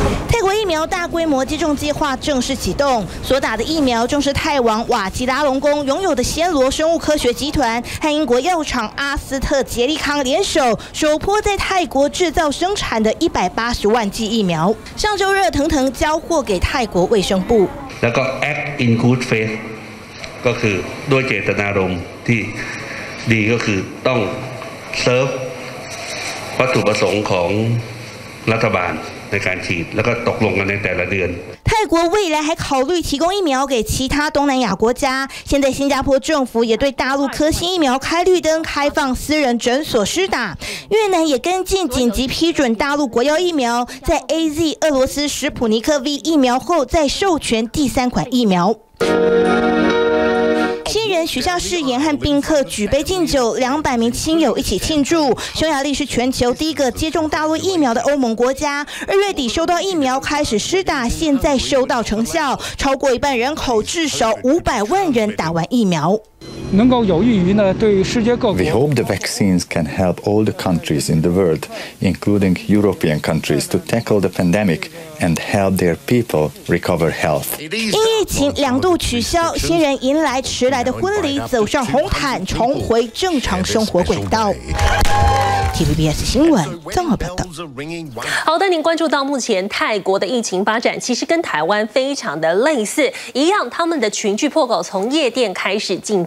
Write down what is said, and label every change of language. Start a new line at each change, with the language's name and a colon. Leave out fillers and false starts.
Chinese: 泰国疫苗大规模接种计划正式启动，所打的疫苗正是泰王瓦吉拉隆功拥有的暹罗生物科学集团和英国药厂阿斯特杰利康联手首波在泰国制造生产的180万剂疫苗，上周热腾腾交货给泰国卫生部。
Thai: แล้วก็
English: act in good faith
Thai: ก็คือด้วยเจตนารมณ์ที่ดีก็คือต้องเซิร์ฟวัตถุประสงค์ของรัฐบาลในการฉีดแล้วก็ตกลงกันในแต่ละเดือน
Chinese: 泰国未来还考虑提供疫苗给其他东南亚国家，现在新加坡政府也对大陆科兴疫苗开绿灯，开放私人诊所施打。越南也跟进紧急批准大陆国药疫苗，在 AZ 俄罗斯史普尼克 V 疫苗后再授权第三款疫苗。新人许下誓言和宾客举杯敬酒，200名亲友一起庆祝。匈牙利是全球第一个接种大陆疫苗的欧盟国家，二月底收到疫苗开始施打，现在收到成效，超过一半人口至少500万人打完疫苗。能够有益于呢，对世界各国。
English: We hope the vaccines can help all the countries in the world, including European countries, to tackle the pandemic and help their people recover health.
Chinese: 因疫情两度取消，新人迎来迟来的婚礼，走上红毯，重回正常生活轨道。 TVBS 新闻综合报道。好的，您关注到目前泰国的疫情发展，其实跟台湾非常的类似，一样，他们的群聚破口从夜店开始进。